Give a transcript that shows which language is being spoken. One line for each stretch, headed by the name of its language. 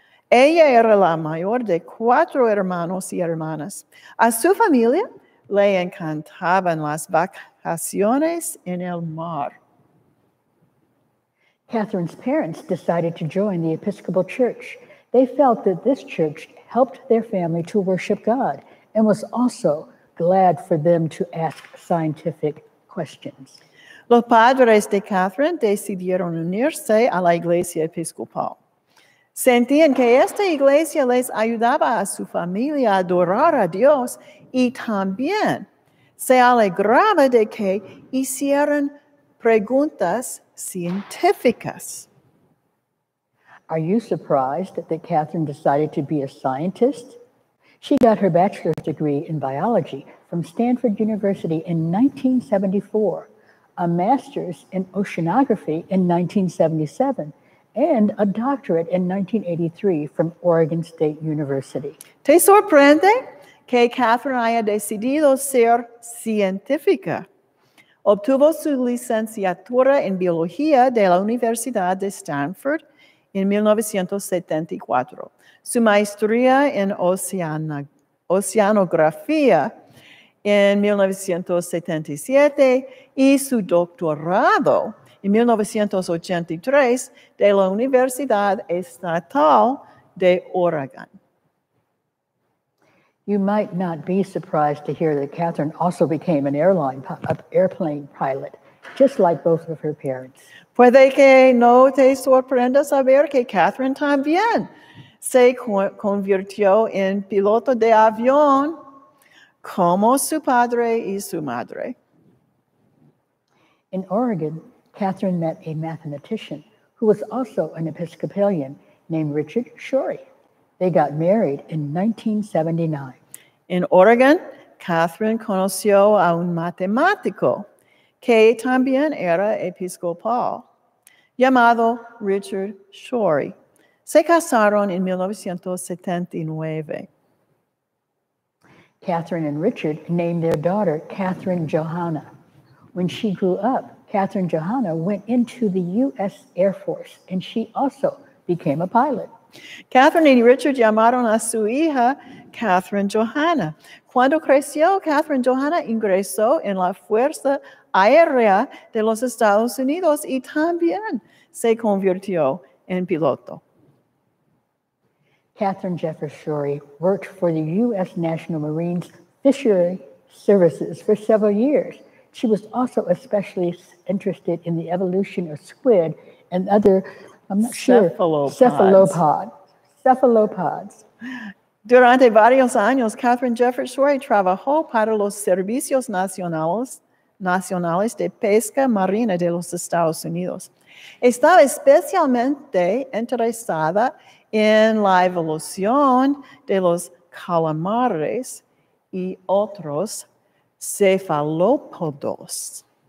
Spanish: Ella era la mayor de cuatro hermanos y hermanas. A su familia le encantaban las vacaciones en el mar.
English: Katharine's parents decided to join the Episcopal Church. They felt that this church helped their family to worship God and was also glad for them to ask scientific questions.
Spanish: Los padres de Katharine decidieron unirse a la Iglesia Episcopal. Sentían que esta iglesia les ayudaba a su familia a adorar a Dios y también se alegraba de que hicieran preguntas científicas.
English: Are you surprised that Katharine decided to be a scientist? She got her bachelor's degree in biology from Stanford University in 1974, a master's in oceanography in 1977, and a doctorate in 1983 from Oregon State University.
Spanish: ¿Te sorprende que Katharine haya decidido ser científica? Obtuvo su licenciatura en biología de la Universidad de Stanford en 1974, su maestría en oceanografía en 1977 y su doctorado en 1983, de la Universidad Estatal de Oregon.
English: You might not be surprised to hear that Katharine also became an airplane pilot, just like both of her parents.
Spanish: Puede que no te sorprenda saber que Katharine también se convirtió en piloto de avión, como su padre y su madre.
English: In Oregon, Katharine met a mathematician who was also an Episcopalian named Richard Schori. They got married in 1979. In Oregon,
Spanish: Katharine conoció a un matemático que también era Episcopal, llamado Richard Schori. Se casaron en 1979.
English: Katharine and Richard named their daughter Katharine Johanna. When she grew up, Katharine Johanna went into the U.S. Air Force, and she also became a pilot.
Spanish: Katharine y Richard llamaron a su hija Katharine Johanna. Cuando creció, Katharine Johanna ingresó en la Fuerza Aérea de los Estados Unidos y también se convirtió en piloto.
English: Katharine Jefferts Schori worked for the U.S. National Marines Fishery Services for several years. She was also especially interested in the evolution of squid and other, cephalopods.
Spanish: Durante varios años, Katharine Jefferts Schori trabajó para los Servicios Nacionales de Pesca Marina de los Estados Unidos. Estaba especialmente interesada en la evolución de los calamares y otros cephalopods.